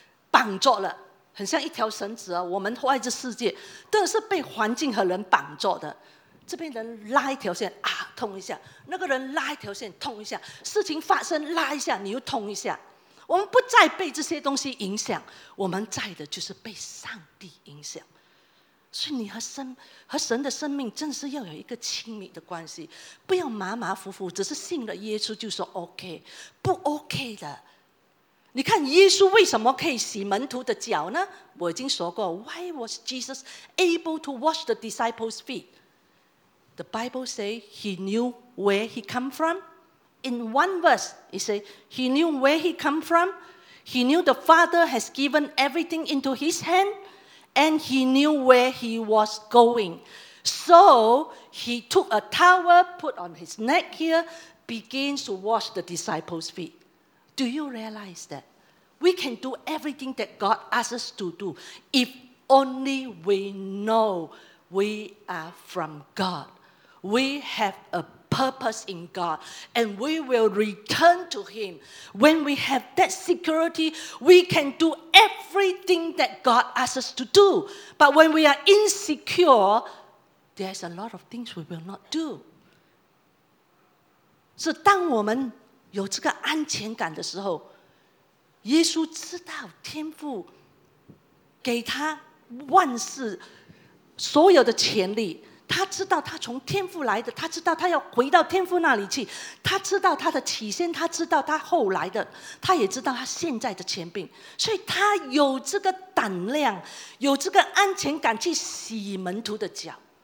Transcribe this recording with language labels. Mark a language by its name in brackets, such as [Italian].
[Chinese] 绑住了，很像一条绳子，我们活在这世界都是被环境和人绑住的，这边人拉一条线啊，痛一下，那个人拉一条线痛一下，事情发生拉一下你又痛一下，我们不再被这些东西影响，我们在的就是被上帝影响。所以你和神的生命真是要有一个亲密的关系，不要马马虎虎只是信了耶稣就说 OK, 不 OK 的。你看耶稣为什么可以洗门徒的脚呢？我已经说过 [English] Why was Jesus able to wash the disciples' feet? The Bible says he knew where he come from. In one verse it says he knew where he come from. He knew the Father has given everything into his handAnd he knew where he was going. So he took a towel, put on his neck here, begins to wash the disciples' feet. Do you realize that? We can do everything that God asks us to do if only we know we are from God. We have a purpose in God, and we will return to him. When we have that security, we can do everything that God asks us to do. But when we are insecure, there's a lot of things we will not do. [Chinese] So, 当我们有这个安全感的时候，耶稣知道天父给他万事所有的权利，他知道他从天父来的，他知道他要回到天父那里去，他知道他的起先，他知道他后来的，他也知道他现在的前病，所以他有这个胆量，有这个安全感去洗门徒的脚。